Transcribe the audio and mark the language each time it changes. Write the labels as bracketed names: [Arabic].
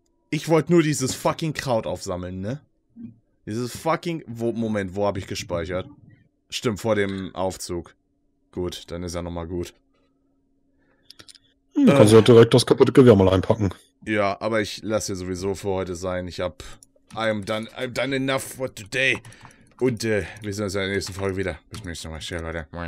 [German] Ich wollte nur dieses fucking Kraut aufsammeln, ne? Dieses fucking. Moment, wo habe ich gespeichert? Stimmt, vor dem Aufzug. Gut, dann ist er nochmal gut. Dann kannst du ja direkt das kaputte Gewehr mal einpacken. Ja, aber ich lasse hier sowieso für heute sein. Ich habe. [English] I'm done enough for today. [German] Und wir sehen uns in der nächsten Folge wieder. Bis zum nächsten Mal. Ciao, Leute.